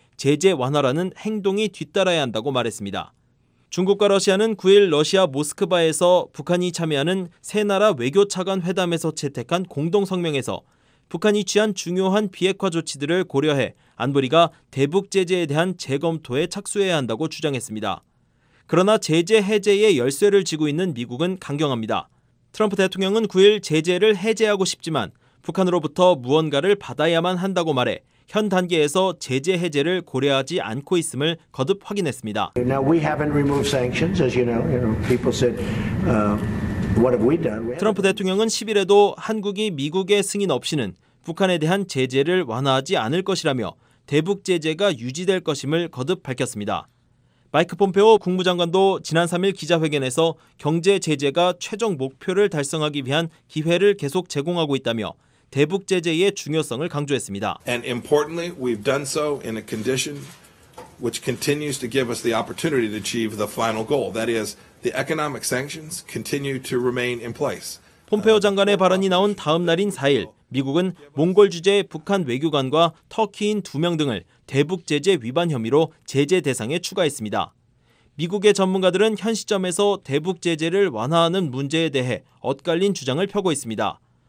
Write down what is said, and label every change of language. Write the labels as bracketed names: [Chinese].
[Korean] 제재 완화라는 행동이 뒤따라야 한다고 말했습니다. 중국과 러시아는 9일 러시아 모스크바에서 북한이 참여하는 세 나라 외교 차관 회담에서 채택한 공동성명에서 북한이 취한 중요한 비핵화 조치들을 고려해 안보리가 대북 제재에 대한 재검토에 착수해야 한다고 주장했습니다. 그러나 제재 해제의 열쇠를 쥐고 있는 미국은 강경합니다. 트럼프 대통령은 9일 제재를 해제하고 싶지만 북한으로부터 무언가를 받아야만 한다고 말해 현 단계에서 제재 해제를 고려하지 않고 있음을 거듭 확인했습니다. [English] Now we haven't removed sanctions, as you know, people said, what have we done? [Korean] 트럼프 대통령은 10일에도 한국이 미국의 승인 없이는 북한에 대한 제재를 완화하지 않을 것이라며 대북 제재가 유지될 것임을 거듭 밝혔습니다. 마이크 폼페오 국무장관도 지난 3일 기자회견에서 경제 제재가 최종 목표를 달성하기 위한 기회를 계속 제공하고 있다며 대북 제재의 중요성을 강조했습니다. [English] And importantly, we've done so in a condition which continues to give us the opportunity to achieve the final goal. That is, the economic sanctions continue to remain in place. [Korean] 폼페오 장관의 발언이 나온 다음 날인 4일, 미국은 몽골 주재 북한 외교관과 터키인 2명 등을 대북 제재 위반 혐의로 제재 대상에 추가했습니다. 미국의 전문가들은 현 시점에서 대북 제재를 완화하는 문제에 대해 엇갈린 주장을 펴고 있습니다.